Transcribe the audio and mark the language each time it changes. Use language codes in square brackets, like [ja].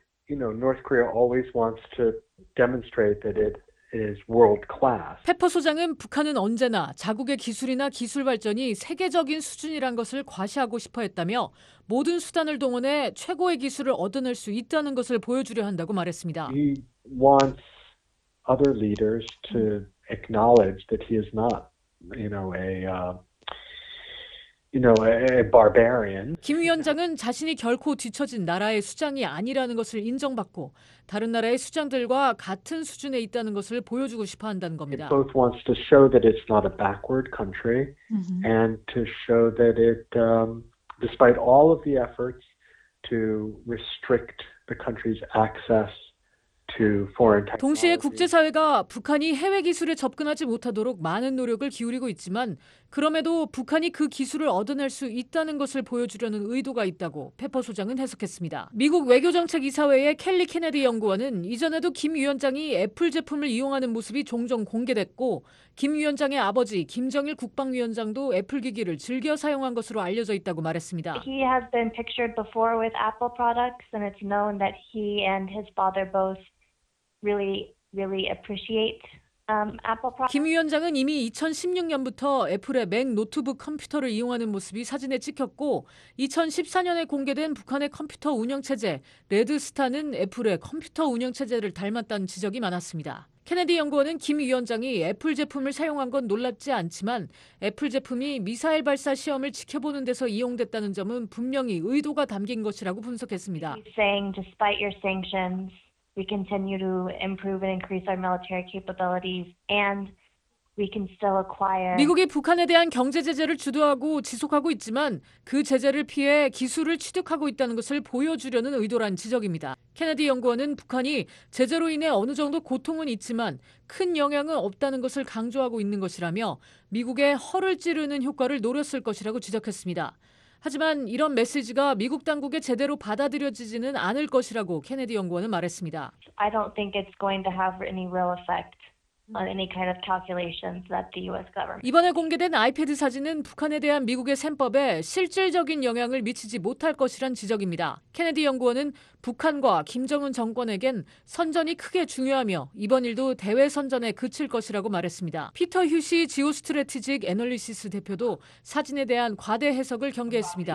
[en] North Korea always wants to demonstrate that it is world class. [ko] 페퍼 소장은 북한은 언제나 자국의 기술이나 기술 발전이 세계적인 수준이란 것을 과시하고 싶어 했다며 모든 수단을 동원해 최고의 기술을 얻어낼 수 있다는 것을 보여주려 한다고 말했습니다. [en] He wants other leaders to acknowledge that he is not, a barbarian. [ko] 김 위원장은 자신이 결코 뒤처진 나라의 수장이 아니라는 것을 인정받고 다른 나라의 수장들과 같은 수준에 있다는 것을 보여주고 싶어 한다는 겁니다. [en] It both wants to show that it's not a backward country and to show that it, despite all of the efforts to restrict the country's access. [ko] 동시에 국제사회가 북한이 해외 기술에 접근하지 못하도록 많은 노력을 기울이고 있지만 그럼에도 북한이 그 기술을 얻어낼 수 있다는 것을 보여주려는 의도가 있다고 페퍼 소장은 해석했습니다. 미국 외교정책이사회의 켈리 케네디 연구원은 이전에도 김 위원장이 애플 제품을 이용하는 모습이 종종 공개됐고 김 위원장의 아버지 김정일 국방위원장도 애플 기기를 즐겨 사용한 것으로 알려져 있다고 말했습니다. [en] He has been pictured before with Apple products and it's known that he and his father both really appreciate Apple products. [ko] 김 위원장은 이미 2016년부터 애플의 맥 노트북 컴퓨터를 이용하는 모습이 사진에 찍혔고 2014년에 공개된 북한의 컴퓨터 운영체제 레드스타는 애플의 컴퓨터 운영체제를 닮았다는 지적이 많았습니다. 케네디 연구원은 김 위원장이 애플 제품을 사용한 건 놀랍지 않지만 애플 제품이 미사일 발사 시험을 지켜보는 데서 이용됐다는 점은 분명히 의도가 담긴 것이라고 분석했습니다. [en] He's saying despite your sanctions, we continue to improve and increase our military capabilities and we can still acquire. [ko] 미국이 북한에 대한 경제 제재를 주도하고 지속하고 있지만 그 제재를 피해 기술을 취득하고 있다는 것을 보여주려는 의도란 지적입니다. 케네디 연구원은 북한이 제재로 인해 어느 정도 고통은 있지만 큰 영향은 없다는 것을 강조하고 있는 것이라며 미국의 허를 찌르는 효과를 노렸을 것이라고 지적했습니다. 하지만 이런 메시지가 미국 당국에 제대로 받아들여지지는 않을 것이라고 케네디 연구원은 말했습니다. [en] I don't think it's going to have any real effect any kind of calculations that the U.S. government. [ko] 이번에 공개된 아이패드 사진은 북한에 대한 미국의 셈법에 실질적인 영향을 미치지 못할 것이란 지적입니다. 케네디 연구원은 북한과 김정은 정권에겐 선전이 크게 중요하며 이번 일도 대외 선전에 그칠 것이라고 말했습니다. 피터 휴시 지오 스트래티직 애널리시스 대표도 사진에 대한 과대 해석을 경계했습니다.